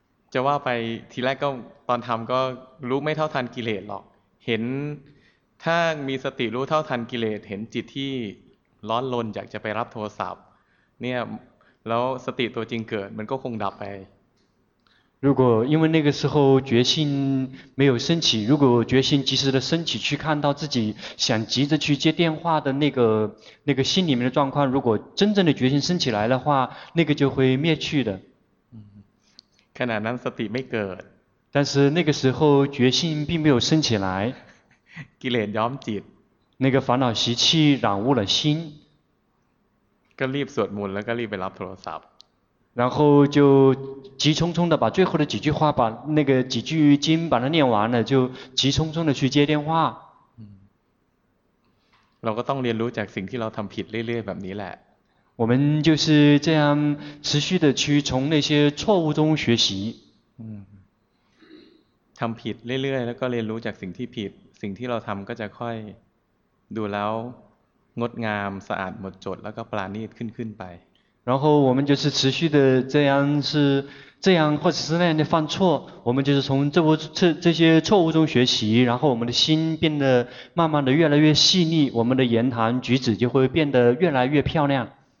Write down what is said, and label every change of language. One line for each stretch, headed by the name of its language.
Thai: จะว่าไปทีแรกก็ตอนทำก็รู้ไม่เท่าทันกิเลสหรอกเห็นถ้ามีสติรู้เท่าทันกิเลสเห็นจิตที่ร้อนรนอยากจะไปรับโทรศัพท์เนี่ยแล้วสติตัวจริงเกิดมันก็คงดับไป
Chinese: 如果因为那个时候决心没有升起，如果决心及时的升起，去看到自己想急着去接电话的那个心里面的状况，如果真正的决心升起来的话，那个就会灭去的。
Thai: ขณะนั้นสติไม่เกิด
Chinese: 但是那个时候决心并没有升起来
Thai: กิเลสย้อมจิต
Chinese: 那个烦恼习气染污了心
Thai: ก็รีบสวดมนต์แล้วก็รีบไปรับโทรศัพท์
Chinese: 然后就急匆匆的把最后的几句话把那个几句经把它念完了就急匆匆的去接电话
Thai: เราก็ต้องเรียนรู้จากสิ่งที่เราทำผิดเรื่อยๆแบบนี้แหละ
Chinese: 我们就是这样持续的去从那些错误中学习。
Thai: ทำผิดเรื่อยๆแล้วก็เรียนรู้จากสิ่งที่ผิดสิ่งที่เราทำก็จะค่อยดูแล้วงดงามสะอาดหมดจดแล้วก็ปราณีตขึ้นไป
Chinese: 然后我们就是持续的这样是这样或者是那样的犯错我们就是从这些错误中学习然后我们的心变得慢慢的越来越细腻我们的言谈举止就会变得越来越漂亮